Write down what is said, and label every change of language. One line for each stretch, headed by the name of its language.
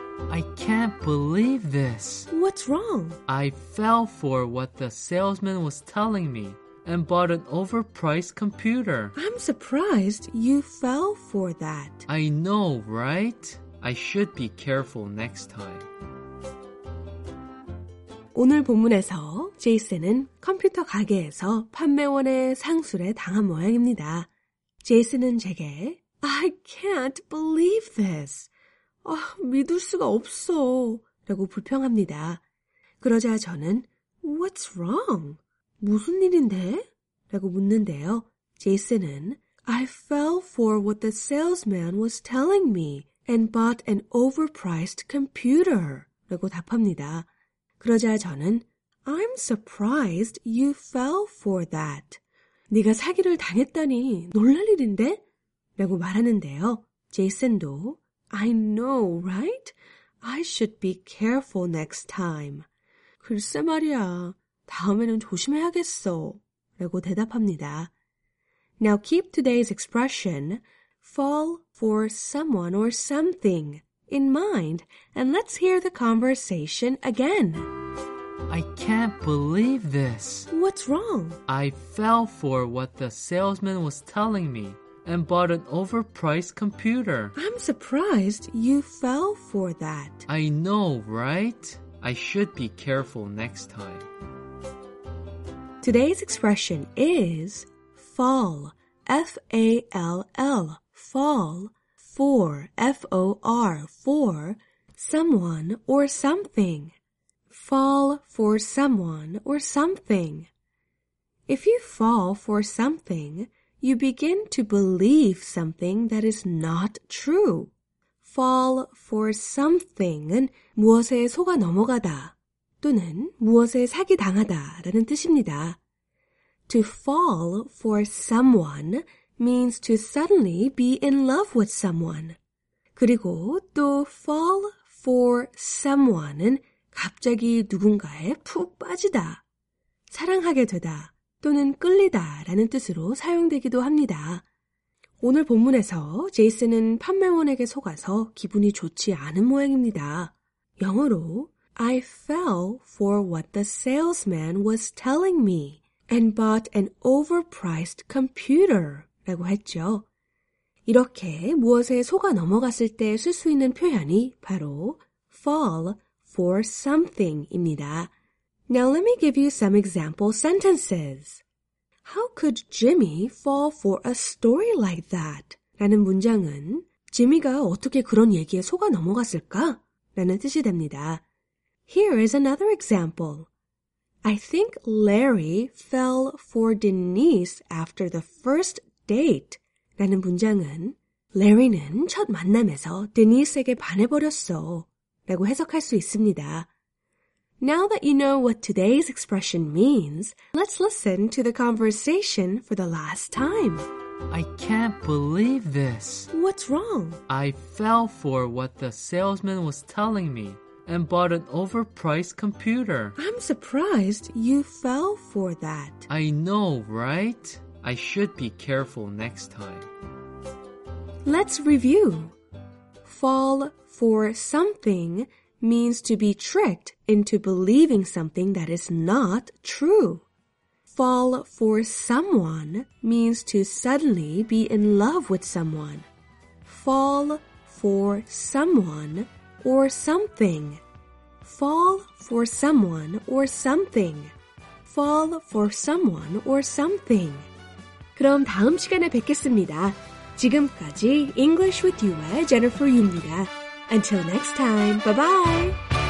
English: I can't believe this. What's wrong? I fell for what the salesman was telling me and bought an overpriced computer. I'm surprised you fell for that. I know, right? I should be careful next time.
Korean: 오늘 본문에서 제이슨은 컴퓨터 가게에서 판매원의 상술에 당한 모양입니다. 제이슨은 제게
English: I can't believe this.
Korean: 아, 믿을 수가 없어. 라고 불평합니다. 그러자 저는
English: What's wrong?
Korean: 무슨 일인데? 라고 묻는데요. 제이슨은
English: I fell for what the salesman was telling me and bought an overpriced computer.
Korean: 라고 답합니다. 그러자 저는
English: I'm surprised you fell for that.
Korean: 네가 사기를 당했다니 놀랄 일인데? 라고 말하는데요. 제이슨도
English: I know, right? I should be careful next time.
Korean: 글쎄 말이야, 다음에는 조심해야겠어. 라고 대답합니다.
English: Now keep today's expression, fall for someone or something, in mind, and let's hear the conversation again. I can't believe this. What's wrong? I fell for what the salesman was telling me and bought an overpriced computer. I'm surprised you fell for that. I know, right? I should be careful next time. Today's expression is fall, F-A-L-L, fall, for, F-O-R, for someone or something. Fall for someone or something. If you fall for something, you begin to believe something that is not true. Fall for something은
Korean: 무엇에 속아 넘어가다 또는 무엇에 사기당하다 라는 뜻입니다.
English: To fall for someone means to suddenly be in love with someone.
Korean: 그리고 또 fall for someone은 갑자기 누군가에 푹 빠지다, 사랑하게 되다 또는 끌리다 라는 뜻으로 사용되기도 합니다. 오늘 본문에서 제이슨은 판매원에게 속아서 기분이 좋지 않은 모양입니다. 영어로
English: I fell for what the salesman was telling me and bought an overpriced computer
Korean: 라고 했죠. 이렇게 무엇에 속아 넘어갔을 때 쓸 수 있는 표현이 바로 fall for something입니다.
English: Now let me give you some example sentences. How could Jimmy fall for a story like that?
Korean: 라는 문장은 지미가 어떻게 그런 얘기에 속아 넘어갔을까? 라는 뜻이 됩니다.
English: Here is another example. I think Larry fell for Denise after the first date.
Korean: 라는 문장은 Larry는 첫 만남에서 Denise에게 반해버렸어. 라고 해석할 수 있습니다.
English: Now that you know what today's expression means, let's listen to the conversation for the last time. I can't believe this. What's wrong? I fell for what the salesman was telling me and bought an overpriced computer. I'm surprised you fell for that. I know, right? I should be careful next time. Let's review. Fall for something means to be tricked into believing something that is not true. Fall for someone means to suddenly be in love with someone. Fall for someone or something. Fall for someone or something. Fall for someone or something.
Korean: 그럼 다음 시간에 뵙겠습니다. 지금까지 English with You의 Jennifer Yu입니다.
English: Until next time, bye-bye!